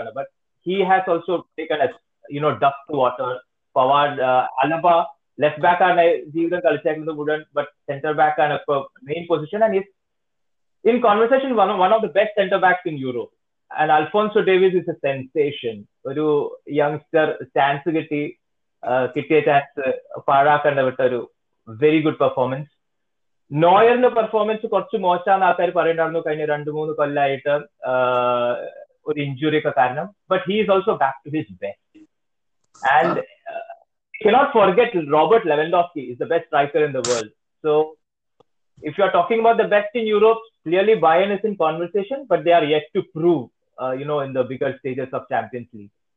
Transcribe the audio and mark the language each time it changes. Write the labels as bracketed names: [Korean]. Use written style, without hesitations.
[English] But he has also taken a, you know, duck to water. Pavard, Alaba, left back, but center back and a main position. And he's in conversation, one of the best center backs in Europe. And Alphonso Davies is a sensation. [Malayalam] ഒരു youngster chance കിട്ടി, കിട്ടിയ chance പാഴാക്കേണ്ട വിട്ട ഒരു [English] very good performance. [Malayalam] നോയറിന്റെ performance കുറച്ച് മോശമാണ് ആൾക്കാർ പറയുന്നുണ്ടായിരുന്നു കഴിഞ്ഞ രണ്ടു മൂന്ന് കൊല്ലമായിട്ട്, ഒരു ഇഞ്ചുറി ഒക്കെ കാരണം. [English] But he is also back to his best. And cannot forget Robert Lewandowski is the best striker in the world. So if you are talking about the best in Europe, clearly Bayern is in conversation, but they are yet to prove, you know, in the bigger stages of Champions League.